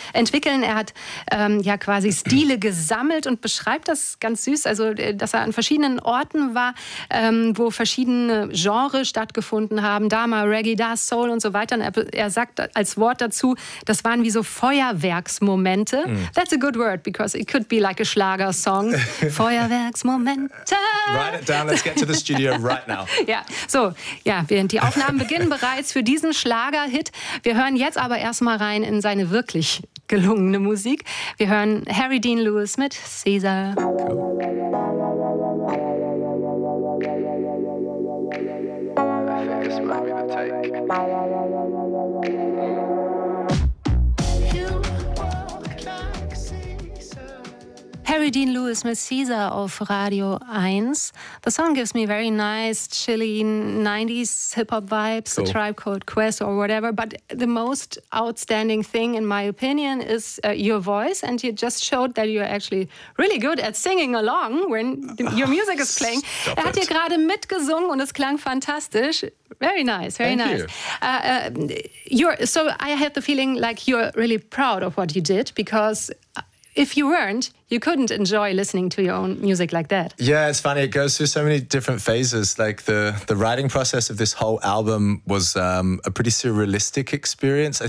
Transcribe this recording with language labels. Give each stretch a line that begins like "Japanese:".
German: Er hat quasi Stile gesammelt und beschreibt das ganz süß. Also, dass er an verschiedenen Orten war, wo verschiedene Genres stattgefunden haben. Da mal Reggae, da Soul und so weiter. Und er sagt als Wort dazu, das waren wie so Feuerwerksmomente. Mm.
English: That's a good word, because it could be like a Schlager-Song.
German: Feuerwerksmomente.
English: Write it down, let's get to the studio right now.
German: Während die Aufnahmen beginnen bereits für diesen Schlager-Hit. Wir hören jetzt aber erstmal rein in seine wirklich gelungene Musik. Wir hören Harry Dean Lewis mit Caesar. Harry Dean Lewis mit Caesar auf Radio 1.
English: The song gives me very nice, chilly 90s hip-hop vibes, cool. A Tribe Called Quest or whatever. But the most outstanding thing, in my opinion, is your voice. And you just showed that you're actually really good at singing along when your music is playing.
German: Er hat hier gerade mitgesungen und es klang fantastisch.
English: Very nice, very Thank nice. You. So I had the feeling like you're really proud of what you did, because if you weren't, you couldn't enjoy listening to your own music like that. Yeah, it's funny. It goes through so many different phases. Like the writing process of this whole album was a pretty surrealistic experience.